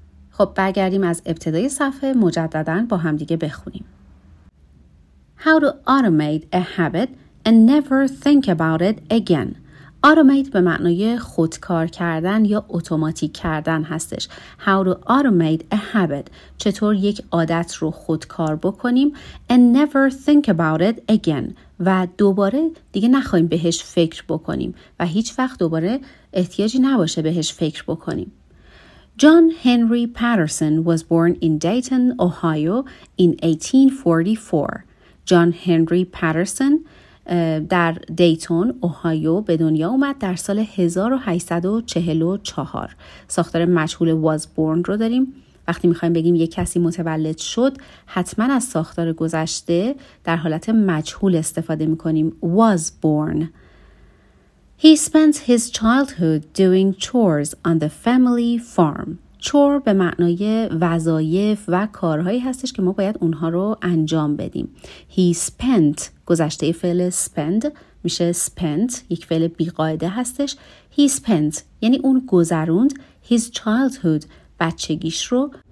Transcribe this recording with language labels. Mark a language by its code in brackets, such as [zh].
[fa] خب برگردیم از ابتدای صفحه مجدداً با هم دیگه بخونیم. [en] How to automate a habit and never think about it again. [fa] آتومیت به معنای خودکار کردن یا اتوماتیک کردن هستش. [en] How to automate a habit. [fa] چطور یک عادت رو خودکار بکنیم [en] and never think about it again. [fa] و دوباره دیگه نخواهیم بهش فکر بکنیم و هیچ وقت دوباره احتیاجی نباشه بهش فکر بکنیم. [en] John Henry Patterson was born in Dayton, Ohio in 1844. [fa] John Henry Patterson در دیتون اوهایو به دنیا اومد در سال 1844. ساختار مجهول was born رو داریم. وقتی میخواییم بگیم یک کسی متولد شد، حتما از ساختار گذشته در حالت مجهول استفاده میکنیم. [en] was born. He spent his childhood doing chores on the family farm. [fa] چور به معنای وظایف و کارهایی هستش که ما باید اونها رو انجام بدیم. He spent، گذشته فعل spend میشه spent، یک فعل بیقاعده هستش. He spent یعنی اون گذروند his childhood، بچگیش رو.